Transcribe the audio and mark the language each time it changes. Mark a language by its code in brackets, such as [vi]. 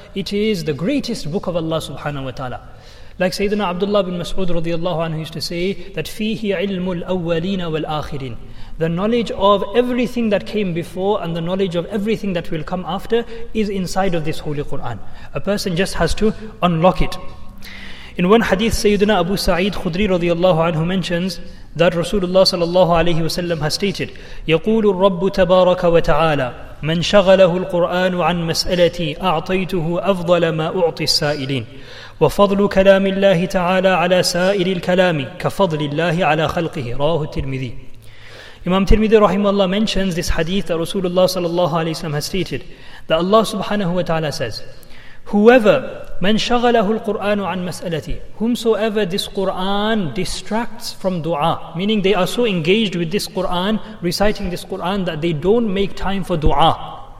[en] It is the greatest book of Allah subhanahu wa ta'ala. Like Sayyidina Abdullah bin Mas'ud radiallahu anhu used to say, that [ar] fihi ilmu al-awwalina wal-akhirin. [en] The knowledge of everything that came before and the knowledge of everything that will come after is inside of this Holy Qur'an. A person just has to unlock it. In one hadith, Sayyidina Abu Sa'id Khudri radiallahu anhu mentions that Rasulullah sallallahu alayhi wa sallam has stated, [ar] يقول الرب تبارك وتعالى من شغله القرآن عن مسألتي أعطيته أفضل ما أعطي السائلين وفضل كلام الله تعالى على سائر الكلام كفضل الله على خلقه رواه الترمذي. [en] Imam Tirmidhi rahimahullah mentions this hadith that Rasulullah sallallahu alayhi wa sallam has stated, that Allah subhanahu wa ta'ala says, Whoever, [ar] من شغله القرآن عن مسألتي, [en] whomsoever this Qur'an distracts from dua, meaning they are so engaged with this Qur'an, reciting this Qur'an, that they don't make time for dua.